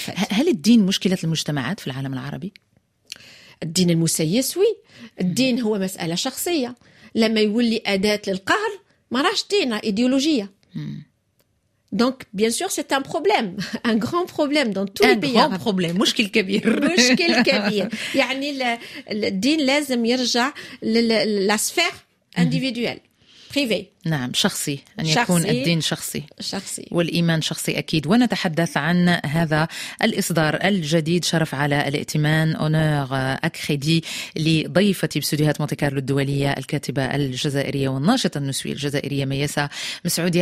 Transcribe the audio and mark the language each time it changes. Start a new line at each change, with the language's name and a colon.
Arabic: هل الدين مشكلة المجتمعات في العالم العربي؟ الدين المسيس وي، الدين هو مسألة شخصية، لما يولي أداة للقهر ما راش دين، إيديولوجية.
French: Donc, bien sûr, c'est un problème, un grand problème dans tous les pays. Un grand problème,
Arabic: مشكل كبير. مشكل كبير. يعني الدين لازم يرجع للاسفير انديفيدويل.
French: Privé.
Arabic: نعم شخصي أن يكون شخصي. الدين شخصي. شخصي والإيمان شخصي أكيد. ونتحدث عن هذا الإصدار الجديد شرف على الائتمان أونور أكريدي لضيفتي بستوديوهات مونتي كارلو الدولية الكاتبة الجزائرية والناشطة النسوية الجزائرية ميسا مسعودية.